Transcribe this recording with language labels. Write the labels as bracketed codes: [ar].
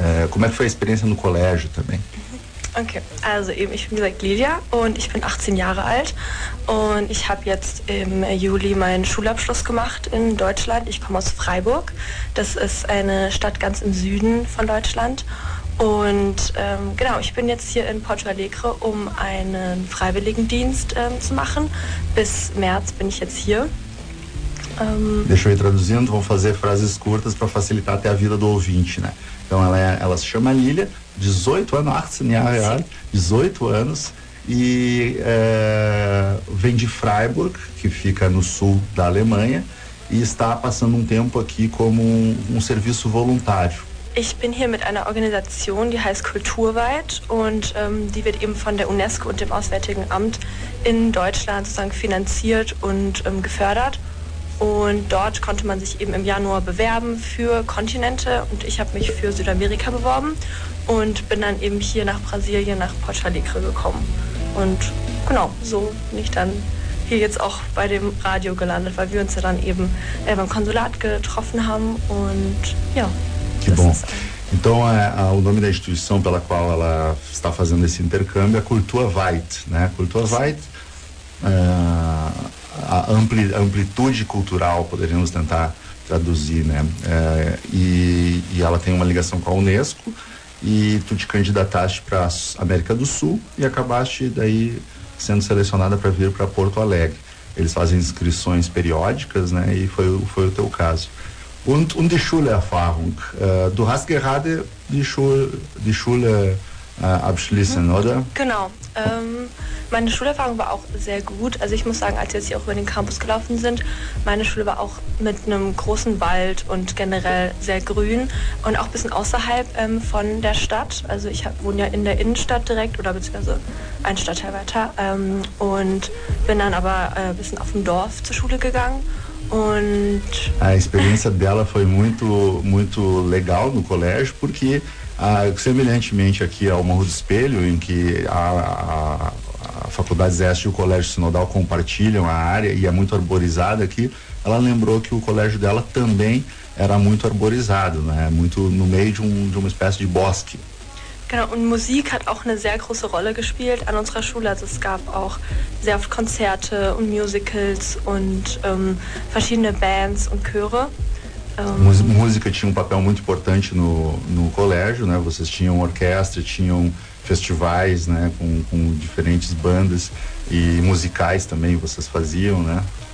[pt] Como é que foi a experiência no colégio também? [de] Ok, also eben, ich bin wie gesagt Lilia und ich bin 18 Jahre alt und ich habe jetzt im Juli meinen Schulabschluss gemacht in Deutschland. Ich komme aus Freiburg, das ist eine Stadt ganz im Süden von Deutschland und genau, ich bin jetzt hier in Porto Alegre, um einen Freiwilligendienst zu machen. Bis März bin ich jetzt hier. [pt] Deixa eu ir traduzindo, vou fazer frases curtas para facilitar até a vida do ouvinte, né? Então ela se chama Lilia, 18 anos, 18 anos, 18 anos, e vem de Freiburg, que fica no sul da Alemanha, e está passando um tempo aqui como um serviço voluntário. [de] Ich bin hier mit einer Organisation, die heißt Kulturweit und die wird eben von der UNESCO und dem Auswärtigen Amt in Deutschland sozusagen finanziert und gefördert. Und dort konnte man sich eben im Januar bewerben für Kontinente und ich habe mich für Südamerika beworben und bin dann eben hier nach Brasilien, nach Porto Alegre gekommen. Und genau, so bin ich dann hier jetzt auch bei dem Radio gelandet, weil wir uns ja dann eben beim Konsulat getroffen haben und ja. [pt] Que bom. Então, o nome da instituição pela qual ela está fazendo esse intercâmbio é Kulturweit, né? Kulturweit. A amplitude cultural, poderíamos tentar traduzir, né? E ela tem uma ligação com a UNESCO, e tu te candidataste para a América do Sul e acabaste daí sendo selecionada para vir para Porto Alegre. Eles fazem inscrições periódicas, né? E foi o teu caso. [de] Und die Schule Erfahrung. Du hast gerade die Schule abschließen, oder? Genau. Meine Schulerfahrung war auch sehr gut. Also ich muss sagen, als wir jetzt hier auch über den Campus gelaufen sind, meine Schule war auch mit einem großen Wald und generell sehr grün und auch ein bisschen außerhalb von der Stadt. Also ich wohne ja in der Innenstadt direkt oder beziehungsweise ein Stadtteil weiter und bin dann aber ein bisschen auf dem Dorf zur Schule gegangen. Und [pt] a experiência dela foi muito, muito legal no colégio, porque semelhantemente aqui ao Morro do Espelho, em que a Faculdade Zeste e o Colégio Sinodal compartilham a área e é muito arborizada aqui, ela lembrou que o colégio dela também era muito arborizado, né? Muito no meio de uma espécie de bosque. [de] Genau, und Musik hat auch eine sehr große Rolle gespielt an unserer Schule. Also es gab auch sehr oft Konzerte und Musicals und verschiedene Bands und Chöre. [pt] Música tinha um papel muito importante no colégio, né? Vocês tinham orquestra, tinham festivais, né? Com diferentes bandas e musicais também vocês faziam, né?